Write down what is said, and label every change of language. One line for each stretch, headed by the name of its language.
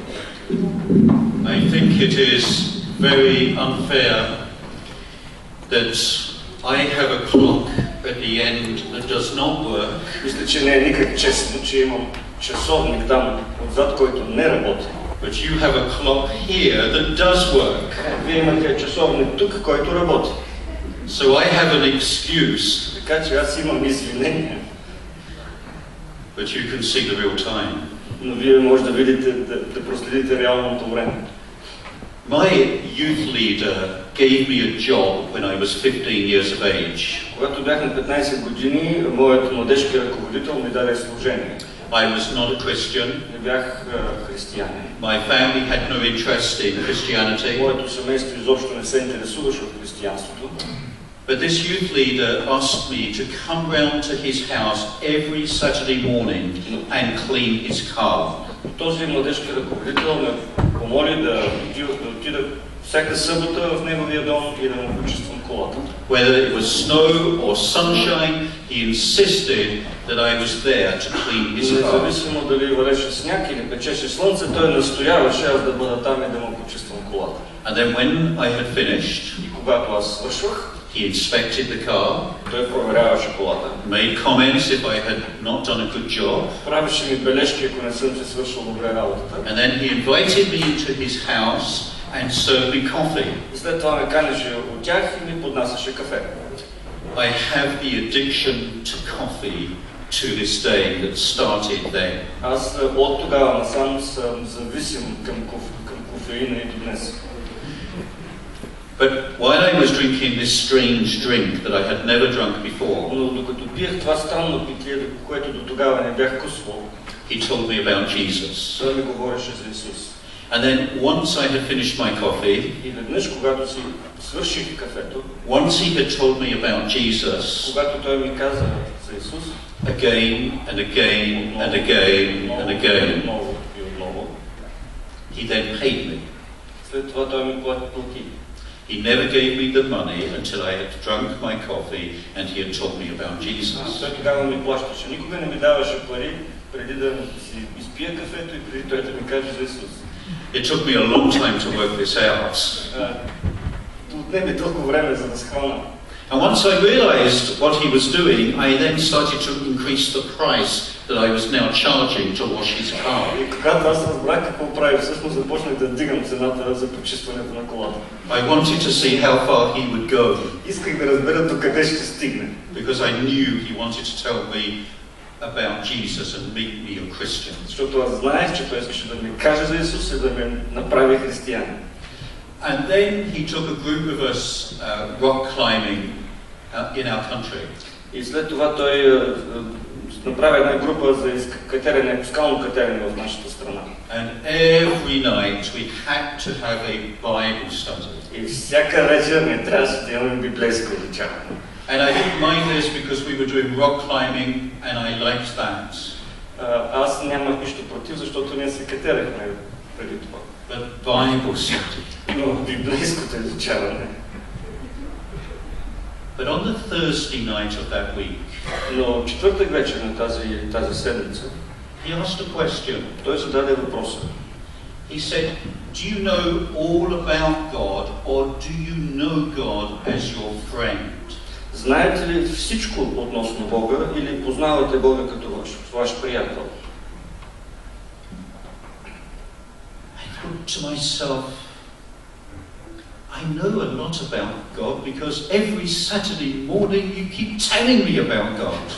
English: I think it is very unfair that I have a clock at the end that does not work.
Bulgarian: Мисля, че не е никак честно, че имам часовник там отзад, който не работи.
English: But you have a clock here that does work.
Bulgarian: Вие имате часовник тук, който работи.
English: So I have an excuse.
Bulgarian: Така че аз имам извинение.
English: But you can see the real time.
Bulgarian: Но вие може да видите, да проследите реалното време.
English: My youth leader gave me a job when I was 15 years of age.
Bulgarian: Когато бях на 15 години, моят младежки ръководител ми даде служение.
English: I was not a Christian.
Bulgarian: Не бях християнин.
English: My family had no interest in Christianity.
Bulgarian: Моето семейство изобщо не се интересуваше от християнството.
English: But this youth leader asked me to come round to his house every Saturday morning and clean his car.
Bulgarian: Този младежки ръководител ме помоли да отида всяка събота в неговия дом и да му почиствам колата.
English: Whether it was snow or sunshine, he insisted that I was there to clean his car.
Bulgarian: Независимо дали валеше сняг или печеше слънце, той настояваше аз да бъда там и да му почиствам колата.
English: And then when I had finished,
Bulgarian: и когато аз свършвах,
English: he inspected the car.
Bulgarian: Той проверяваше колата.
English: Made comments if I had not done a good job.
Bulgarian: Правеше ми бележки, ако не съм се свършил добре работата.
English: And then he invited me into his house and served me coffee.
Bulgarian: След това ме канеше от тях и ми поднасяше кафе.
English: I have the addiction to coffee to this day that started then.
Bulgarian: Аз от тогава насам съм зависим към кофеина и до днес.
English: But while I was drinking this strange drink that I had never drunk before,
Bulgarian: докато пиех това странно питие, което до тогава не бях кусвал,
English: he told me about Jesus.
Bulgarian: Той ми говореше за Исус.
English: And then once I had finished my coffee,
Bulgarian: и веднъж когато си свърших кафето,
English: once he had told me about Jesus,
Bulgarian: когато той ми каза за Исус,
English: again and again and again and again,
Bulgarian: отново,
English: he then paid me.
Bulgarian: След това той ми плати.
English: He never gave me the money until I had drunk my coffee and he had told me about Jesus.
Bulgarian: Той тогава ми плащаше. Никога не ми даваше пари преди да си изпия кафето и преди той да ми каже за Исус.
English: It took me a long time to work this out.
Bulgarian: Отне ми толкова време, за да схвана.
English: And once I realized what he was doing, I then started to increase the price that I was now charging to wash his car.
Bulgarian: И когато аз разбрах какво прави, всъщност започнах да дигам цената за почистването на колата.
English: I wanted to see how far he would go.
Bulgarian: Исках да разбера до къде ще стигне.
English: Because I knew he wanted to tell me about Jesus and make me a Christian.
Bulgarian: Защото аз знаех, че той искаше да ми каже за Исус и да ме направи християнин.
English: And then he took a group of us rock climbing in our country.
Bulgarian: И след това той направи една група за катерене, скално катерене в нашата страна.
English: And every night we had to have a Bible study.
Bulgarian: И всяка вечер ми трябваше да имаме библейско обучение.
English: And I didn't mind this because we were doing rock climbing and I liked that.
Bulgarian: Аз нямах нищо против, защото ние се катерехме преди това.
English: But Bible study.
Bulgarian: Но библейското изучаване.
English: But on the Thursday night of that week,
Bulgarian: но четвъртък вечер на тази седмица,
English: he asked a question.
Bulgarian: Той зададе въпроса.
English: He said, "Do you know all about God, or do you know God as your friend?"
Bulgarian: Знаете ли всичко относно Бога или познавате Бога като ваш приятел?
English: I thought to myself, I know a lot about God because every Saturday morning you keep telling me about God.